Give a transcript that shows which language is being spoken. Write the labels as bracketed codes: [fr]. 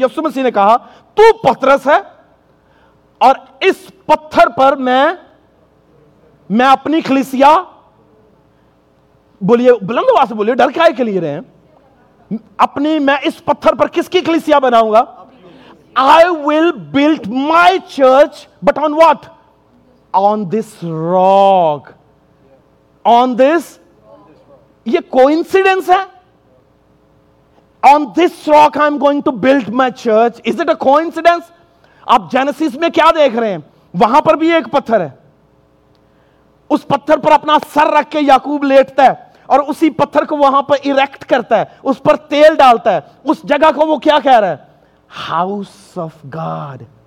[ur] یسوع مسیح نے کہا تو پترس ہے اور اس پتھر پر میں اپنی کلیسیا, بولیے بلند آواز سے بولیے, ڈر کے آئے کے لیے رہے ہیں, اپنی میں اس پتھر پر کس کی کلیسیا بناؤں گا. [en] I will build my church but on what? On this rock. On this, [ur] یہ کوئنسیڈنس ہے. [en] On this rock I'm going to build my church. Is it a coincidence? [ur] آپ جینیسس میں کیا دیکھ رہے ہیں, وہاں پر بھی ایک پتھر ہے. اس پتھر پر اپنا سر رکھ کے یعقوب لیٹتا ہے اور اسی پتھر کو وہاں پر اریکٹ کرتا ہے, اس پر تیل ڈالتا ہے. اس جگہ کو وہ کیا کہہ رہا ہے؟ [en] House of God.